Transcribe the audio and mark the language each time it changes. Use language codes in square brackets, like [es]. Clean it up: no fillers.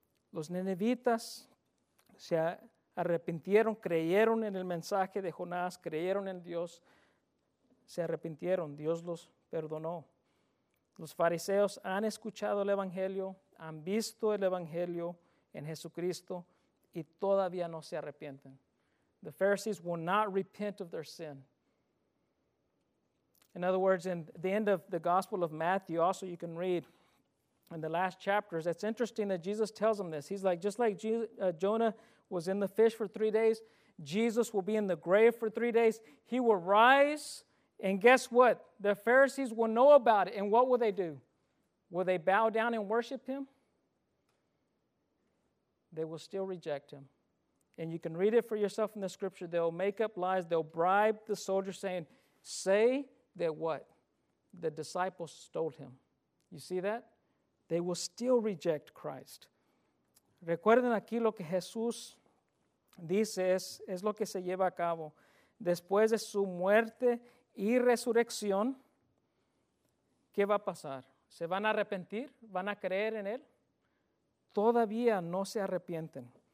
[es] Los Ninevitas se arrepintieron, creyeron en el mensaje de Jonás, creyeron en Dios, se arrepintieron, Dios los perdonó. Los fariseos han escuchado el Evangelio, han visto el Evangelio en Jesucristo y todavía no se arrepienten. [en] The Pharisees will not repent of their sin. In other words, in the end of the Gospel of Matthew, also you can read in the last chapters, it's interesting that Jesus tells them this. He's like, just like Jonah was in the fish for 3 days, Jesus will be in the grave for 3 days. He will rise, and guess what? The Pharisees will know about it, and what will they do? Will they bow down and worship him? They will still reject him. And you can read it for yourself in the scripture. They'll make up lies. They'll bribe the soldier saying, say that what? The disciples stole him. You see that? They will still reject Christ. [es] Recuerden aquí lo que Jesús dice es lo que se lleva a cabo. Después de su muerte y resurrección, ¿qué va a pasar? ¿Se van a arrepentir? ¿Van a creer en él? Todavía no se arrepienten.